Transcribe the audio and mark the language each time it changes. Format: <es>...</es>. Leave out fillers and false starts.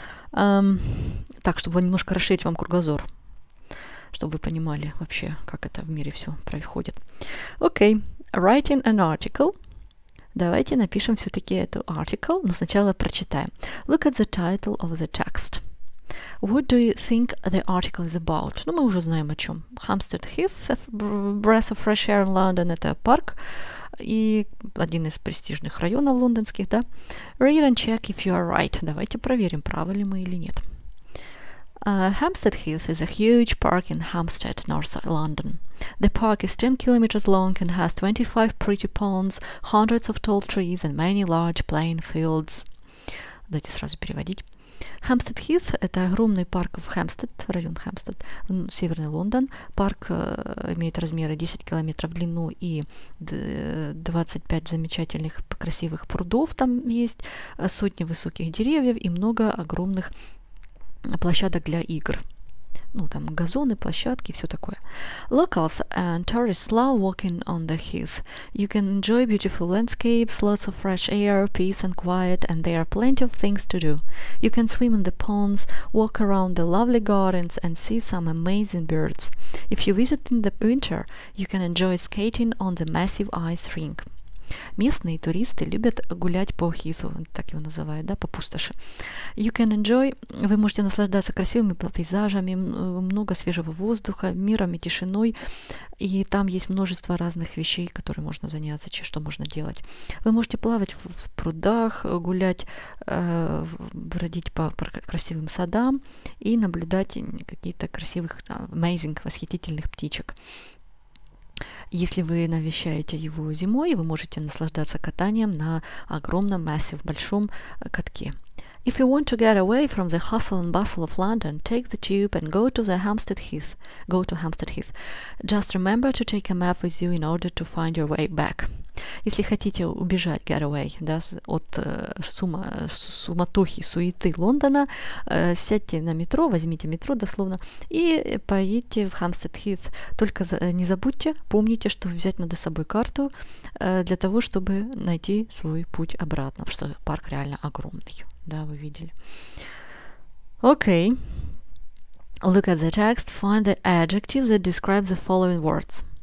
<ru>Так, чтобы немножко расширить вам кругозор, чтобы вы понимали вообще, как это в мире все происходит.</ru> <en>Окей, writing an article.</en> <ru>Давайте напишем все-таки эту article, но сначала прочитаем.</ru> <en>Look at the title of the text. What do you think the article is about?</en> <ru>Ну, мы уже знаем о чем. Hampstead Heath,</ru> <en>a breath of fresh air in London,</en> <ru>это парк и один из престижных районов лондонских, да?</ru> <en>Read and check if you are right.</en> <ru>Давайте проверим, правы ли мы или нет.</ru> <en>Hampstead Heath is a huge park in Hampstead, North London. The park is 10 kilometers long and has 25 pretty ponds, hundreds of tall trees and many large playing fields.</en> <ru>Давайте сразу переводить. Hampstead Heath – это огромный парк в Хэмпстед, район Хэмпстед, северный Лондон. Парк имеет размеры 10 километров в длину и 25 замечательных красивых прудов там есть, сотни высоких деревьев и много огромных площадок для игр. Ну, там газоны, площадки, все такое.</ru> <en>Locals and tourists love walking on the heath. You can enjoy beautiful landscapes, lots of fresh air, peace and quiet, and there are plenty of things to do. You can swim in the ponds, walk around the lovely gardens, and see some amazing birds. If you visit in the winter, you can enjoy skating on the massive ice rink.</en> <ru>Местные туристы любят гулять по Хиту, так его называют, да, по пустоши.</ru> <en>You can enjoy,</en> <ru>вы можете наслаждаться красивыми пейзажами, много свежего воздуха, миром и тишиной, и там есть множество разных вещей, которые можно заняться, что можно делать. Вы можете плавать в прудах, гулять, бродить по красивым садам и наблюдать какие-то красивых, amazing, восхитительных птичек. Если вы навещаете его зимой, вы можете наслаждаться катанием на огромном, massive, большом катке.</ru> <en>If you want to get away from the hustle and bustle of London, take the tube and go to Hampstead Heath. Just remember to take a map with you in order to find your way back.</en> <ru>Если хотите убежать,</ru> <en>get away,</en> <ru>да, от суматохи, суеты Лондона, сядьте на метро, возьмите метро дословно и поедьте в Hampstead Heath. Только не забудьте, помните, что взять надо с собой карту для того, чтобы найти свой путь обратно, потому что парк реально огромный, да, вы видели. Окей. Okay.</ru> <en>Look at the text, find the adjective that describes the following words.</en>